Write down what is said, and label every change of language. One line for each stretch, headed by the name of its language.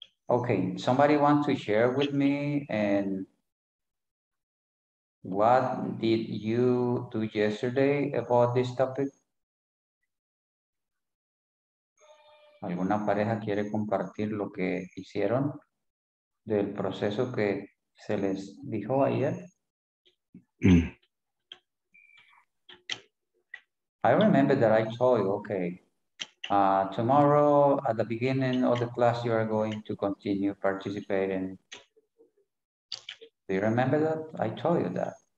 English: Okay, somebody want to share with me and what did you do yesterday about this topic?
Spanish: ¿Alguna pareja quiere compartir lo que hicieron del proceso que se les dijo ayer?
English: I remember that I told you, okay, tomorrow at the beginning of the class, you are going to continue participating. Do you remember that? I told you that.